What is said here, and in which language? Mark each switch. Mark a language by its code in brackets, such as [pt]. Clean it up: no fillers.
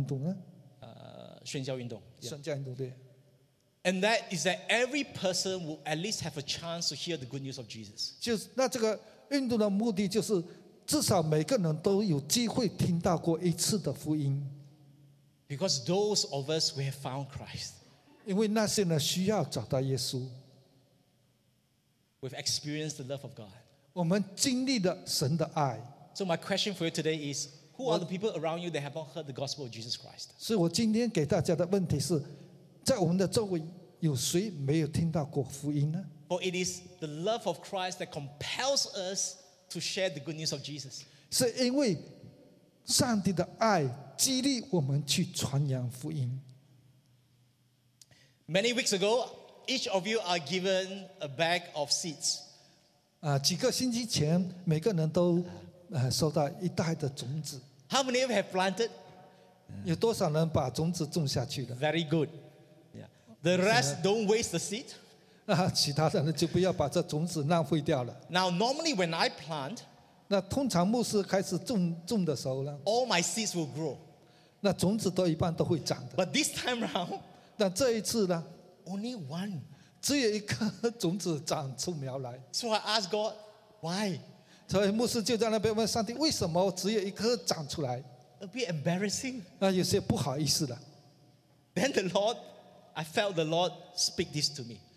[zh] 这里有一个全球的印度在说在2033年就完成这个基督教的传教运动，宣教运动。宣教运动，对。 [en] And that is that every person will at least have a chance to hear the good news of Jesus. [zh] 就那这个运动的目的就是 至少每个人都有机会听到过一次的福音。 [en] Because those of us who have found Christ, [zh] 因为那些人需要找到耶稣, [en] we've experienced the love of God, [zh] 我们经历了神的爱。 [en] So my question for you today is, who are the people around you that have not heard the gospel of Jesus Christ? [zh] 所以我今天给大家的问题是,在我们的周围有谁没有听到过福音呢？ [en] For it is the love of Christ that compels us to share the good news of Jesus. [zh] 是因为上帝的爱激励我们去传扬福音。 [en] Many weeks ago, each of you are given a bag of seeds. [zh] 几个星期前，每个人都收到一袋的种子。 [en] How many of you have planted? [zh] 有多少人把种子种下去了？ [en] Very good. The rest don't waste the seed. [zh] 其他的人就不要把这种子浪费掉了。 [en] Now normally when I plant, [zh] 那通常牧师开始种的时候呢？ [en] All my seeds will grow. [zh] 那种子都一般都会长的。 [en] But this time round, [zh] 那这一次呢？ [en] Only one. [zh] 只有一颗种子长出苗来。 [en] So I ask God, why? [zh] 所以牧师就在那边问上帝，为什么只有一颗长出来？ [en] A bit embarrassing. [zh] 有些不好意思了。 [en] Then the Lord, I felt the Lord speak this to me.